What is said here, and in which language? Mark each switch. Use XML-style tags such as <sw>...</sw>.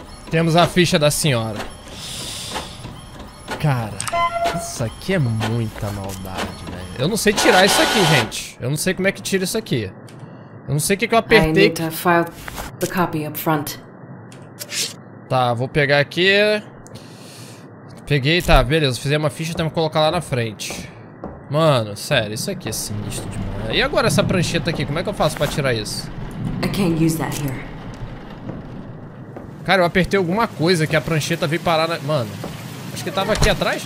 <pt>Temos a ficha da senhora. Cara, isso aqui é muita maldade, velho. Eu não sei tirar isso aqui, gente. Eu não sei como é que tira isso aqui. Eu não sei o que, que eu apertei.</pt> <en>I need to file the copy up front.</en> <pt>Tá, vou pegar aqui. Peguei, tá, beleza. Fizemos uma ficha, temos que colocar lá na frente. Mano, sério, isso aqui é sinistro demais. E agora essa prancheta aqui, como é que eu faço pra tirar isso?</pt> <en>I can't use that here.</en> <pt>Cara, eu apertei alguma coisa que a prancheta veio parar na... Mano, acho que tava aqui atrás?</pt>